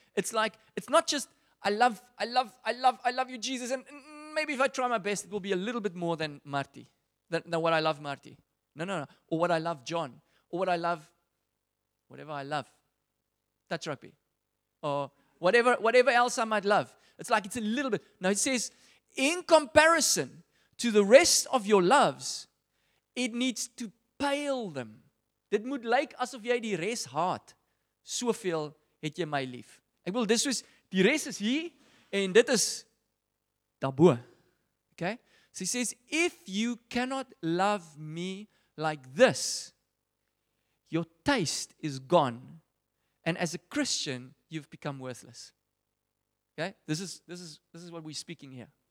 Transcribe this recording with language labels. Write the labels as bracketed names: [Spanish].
[English] It's like, it's not just, I love you, Jesus, and maybe if I try my best, it will be a little bit more than Marty, than what I love Marty. No, or what I love John, or what I love, whatever I love, touch rugby, or whatever else I might love. It's like it's a little bit. No, it says, in comparison to the rest of your loves, it needs to pale them. [Afrikaans] Dit moet lyk asof jy die res haat. Soveel het jy my lief. Ek wil, dis soos, die res is hier, en dit is daarbo. Okay? [English] So he says, if you cannot love me like this, your taste is gone. And as a Christian, you've become worthless. Okay? This is what we're speaking here.